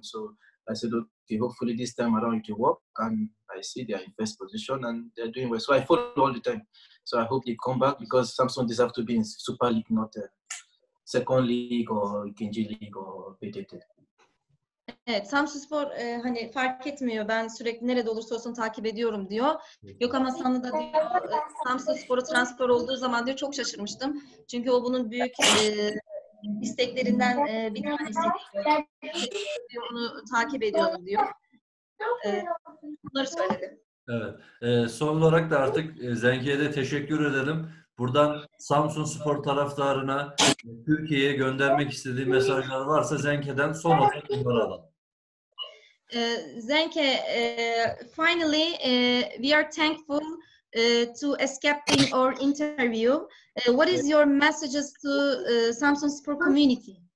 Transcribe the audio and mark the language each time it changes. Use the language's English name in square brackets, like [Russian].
[English] So I said okay, hopefully this time around it will work. And I see they are in first position and they are doing well. So I follow all the time. So I hope they come back because Samsun deserve to be in Super League, not second league or ikinci league or BTT. [Turkish] Evet, Samsun Spor hani fark etmiyor. Ben sürekli nerede olursa olsun takip ediyorum diyor. Gökhan Hasan'la da diyor Samsun Spor'a transfer olduğu zaman diyor çok şaşırmıştım. Çünkü o bunun büyük isteklerinden bir tanesi diyor. Onu takip ediyorum diyor. Bunları söyledim. Evet. Son olarak da artık Zenki'ye de teşekkür edelim. Buradan Samsun Spor taraftarına Türkiye'ye göndermek istediği mesajlar varsa Zenki'den son olarak bunları alalım. [English] Zenki, finally we are thankful to escaping our interview. What is your messages to Samsun Spor community?